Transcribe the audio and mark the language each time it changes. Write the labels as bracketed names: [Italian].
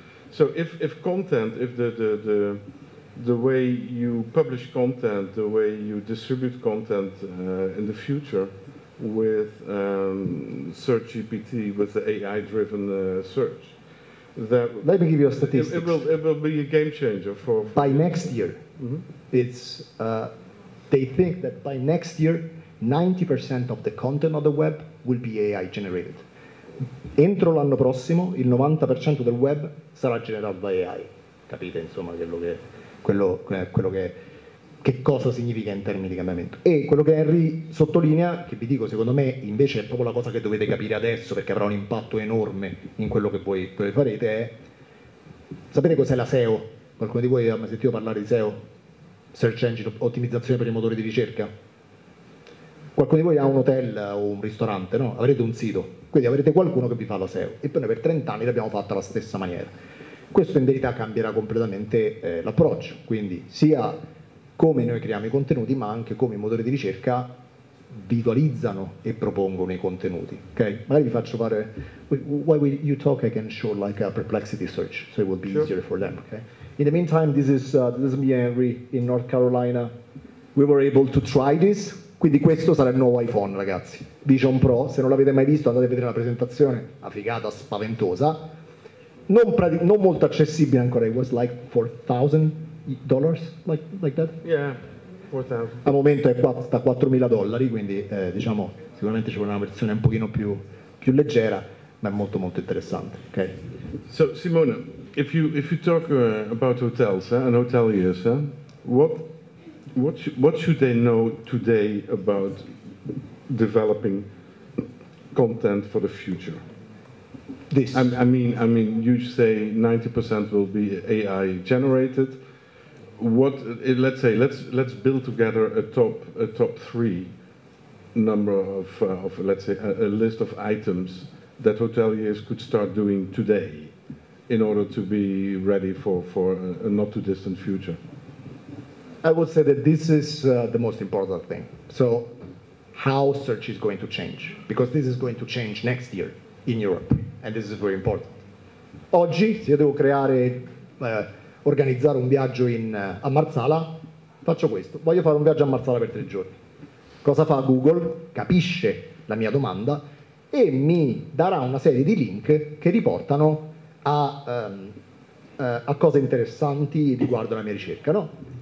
[English] So if content, if the way you publish content, the way you distribute content in the future with SearchGPT, with the AI-driven search, that let me give you a statistic. It will be a game changer for by next year. Mm-hmm. It's they think that by next year, 90% of the content on the web will be AI generated. [Italian] Entro l'anno prossimo, il 90% del web sarà generato da AI. Capite, insomma, che cosa significa in termini di cambiamento. E quello che Henry sottolinea, che vi dico, secondo me invece è proprio la cosa che dovete capire adesso, perché avrà un impatto enorme in quello che voi farete, è: sapete cos'è la SEO? Qualcuno di voi ha mai sentito parlare di SEO? Search Engine Ottimizzazione per i motori di ricerca? Qualcuno di voi ha un hotel o un ristorante, no? Avrete un sito, quindi avrete qualcuno che vi fa la SEO, e poi noi per 30 anni l'abbiamo fatta alla stessa maniera. Questo in verità cambierà completamente l'approccio, quindi sia come noi creiamo i contenuti, ma anche come i motori di ricerca visualizzano e propongono i contenuti. [English] Ok? [Italian] Magari vi faccio fare. [English] While you talk, I can show like a perplexity search, so it will be easier for them. Okay? In the meantime, this is me, Henry, in North Carolina. We were able to try this. [Italian] Quindi questo sarà il nuovo iPhone, ragazzi. Vision Pro, se non l'avete mai visto, andate a vedere la presentazione, una figata spaventosa. Non molto accessibile ancora, [English] it was like $4,000, like that? Yeah, $4,000. [Italian] Al momento è da $4,000, quindi diciamo, sicuramente ci vuole una versione un pochino più leggera, ma è molto molto interessante, ok? [English] So, Simone, if you talk about hotels, and hoteliers, what should they know today about developing content for the future? This. I mean, you say 90% will be AI generated. What? Let's say let's build together a top three number of let's say a list of items that hoteliers could start doing today, in order to be ready for a not too distant future. I would say that this is the most important thing. So, how search is going to change? Because this is going to change next year in Europe. And this is very important. [Italian] Oggi, se io devo creare, organizzare un viaggio a Marsala, faccio questo. Voglio fare un viaggio a Marsala per 3 giorni. Cosa fa Google? Capisce la mia domanda e mi darà una serie di link che riportano a cose interessanti riguardo la mia ricerca, no?